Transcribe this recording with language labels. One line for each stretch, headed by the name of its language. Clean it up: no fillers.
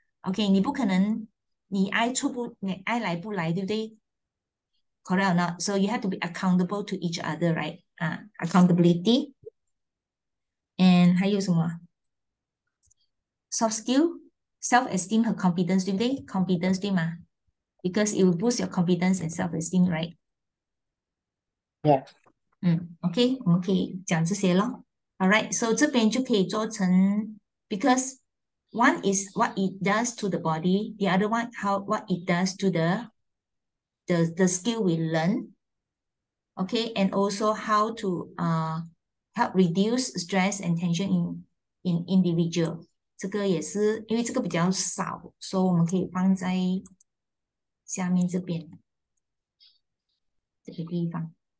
Chinese: Okay, 你不可能, 你爱出不, 你爱来不来, 对不对?
English: Correct or not? So you have to be accountable to each other, right? Accountability. And
Chinese: 还有什么?
English: Soft skill, self-esteem 和 confidence,
Chinese: 对不对?
English: Confidence,
Chinese: 对吗?
English: Because it will boost your confidence and self-esteem, right? Yeah.
Chinese: Okay, 我们可以讲这些咯。
English: Alright, so
Chinese: 这边就可以做成,
English: because one is what it does to the body, the other one, how what it does to the skill we learn. Okay, and also how to help reduce stress and tension in individual.
Chinese: 这个也是,因为这个比较少, so 我们可以放在下面这边, 这个地方。